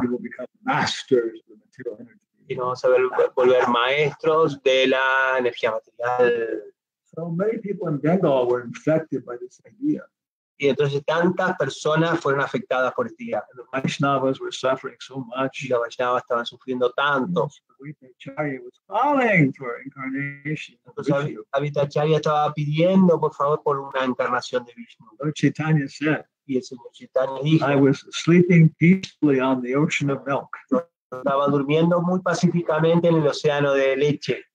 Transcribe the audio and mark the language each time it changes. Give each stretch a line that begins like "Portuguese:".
English: We will become masters of the material energy.
Spanish: Y nos vamos a volver maestros de la energía material.
English: So many people in Bengal were infected by this idea.
Spanish: Y entonces tantas personas fueron afectadas por esta idea.
English: The Vaishnavas were suffering so much.
Spanish: Y los Vaishnavas estaban sufriendo tanto.
English: Avitacharya was calling for incarnation.
Spanish: Entonces Avitacharya estaba pidiendo, por favor, por una encarnación de Vishnu.
English: Lord Chaitanya said,
Spanish: y el señor Chaitanya dijo,
English: I was sleeping peacefully on the ocean of milk.
Spanish: Estaba durmiendo muy pacíficamente en el océano de leche.